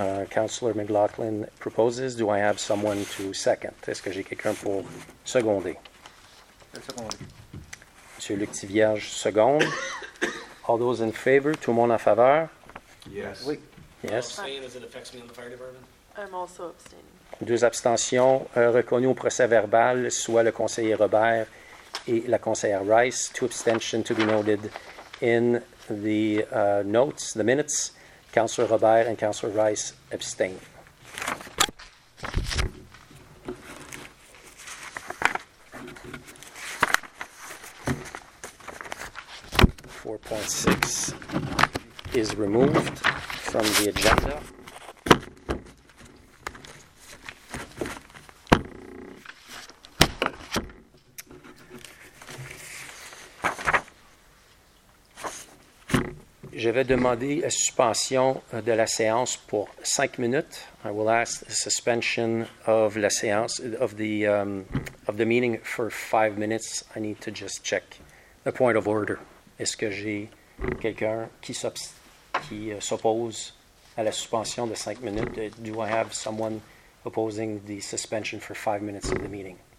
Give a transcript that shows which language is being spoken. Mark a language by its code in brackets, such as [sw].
[en] Councillor McLaughlin proposes. Do I have someone to second? [fr] Est-ce que j'ai quelqu'un pour seconder? Monsieur Luc Thivierge seconde. [en] All those in favor? [fr] Tout le monde en faveur? [en] Yes. [fr] Oui. [en] Yes. Abstaining as it affects me in the fire department? I'm also abstaining. [fr] Deux abstentions reconnues au procès verbal, soit le conseiller Robert et la conseillère Rice. [en] Two abstentions to be noted in the notes, the minutes. Councillor Robert and Councillor Rice abstain. Six is removed from the agenda. [fr] Je vais demander la suspension de la séance pour 5 minutes. [en] I will ask the suspension of [fr] la séance [en] of the meeting for 5 minutes. I need to just check the point of order. [fr] Est-ce que j'ai quelqu'un qui s'oppose à la suspension de 5 minutes? [en] Do I have someone opposing the suspension for 5 minutes of the meeting?